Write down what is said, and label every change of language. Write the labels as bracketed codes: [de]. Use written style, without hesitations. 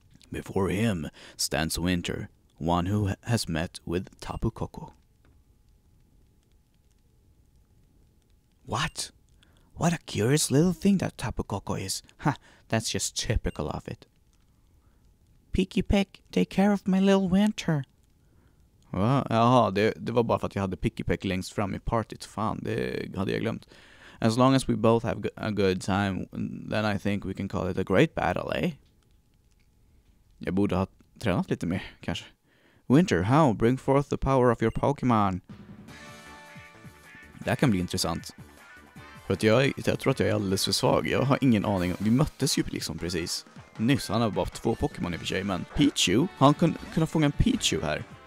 [en] Before him stands Winter, one who has met with Tapu Koko. What? What a curious little thing that Tapu Koko is. Ha, that's just typical of it. Pikipek, take care of my little Winter. [sv] Va? Jaha, det var bara för att jag hade Pikipek längst fram i partiet. Fan, det hade jag glömt. [en] As long as we both have a good time, then I think we can call it a great battle, eh? [sv] Jag borde ha tränat lite mer, kanske. [en] Winter, how? Bring forth the power of your Pokémon. [sv] Det kan bli intressant. För att jag tror att jag är alldeles för svag. Jag har ingen aning. Vi möttes ju liksom precis. nyss. Han har bara haft två Pokémon i för sig, men Pichu? Har han kunnat fånga en Pichu här?